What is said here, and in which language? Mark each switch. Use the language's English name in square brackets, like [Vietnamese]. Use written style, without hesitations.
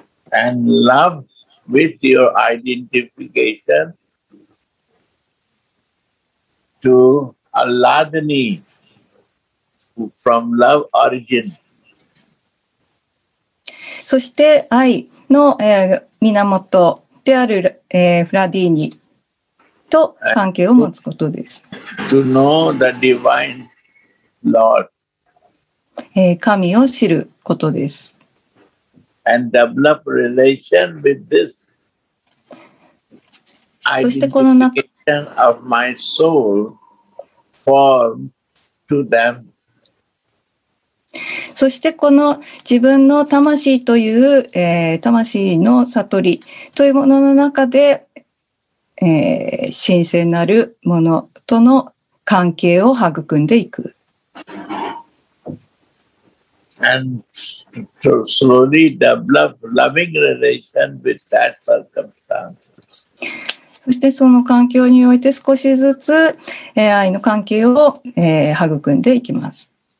[English] And love with your identification to Aladhani from love origin. [Japanese] そして愛の、源である、フラディーニと関係を持つことです。 [English] To know the divine Lord. [Japanese] 神を知ることです。 [English] And develop relation with this. [Japanese] そしてこの中、 [English] identification of my soul form to them. [Japanese] そしてこの自分の魂という、魂の悟りというものの中で、神聖なるものとの関係を育んでいく。 [English] And to slowly develop loving relation with that circumstance. [Japanese] そしてその環境において少しずつ愛の関係を育んでいきます。